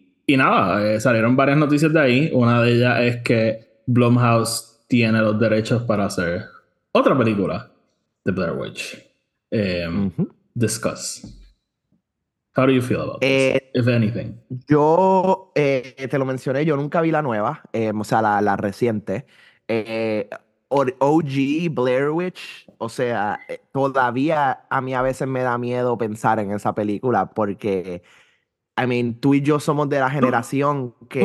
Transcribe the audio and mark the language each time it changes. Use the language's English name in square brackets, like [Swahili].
[Spanish] Y nada, salieron varias noticias de ahí. Una de ellas es que Blumhouse tiene los derechos para hacer otra película de Blair Witch. [English] Discuss. How do you feel about this, if anything? [Spanish] Yo, te lo mencioné, yo nunca vi la nueva, o sea, la reciente. OG Blair Witch, o sea, todavía a mí a veces me da miedo pensar en esa película porque, I mean, tú y yo somos de la generación que...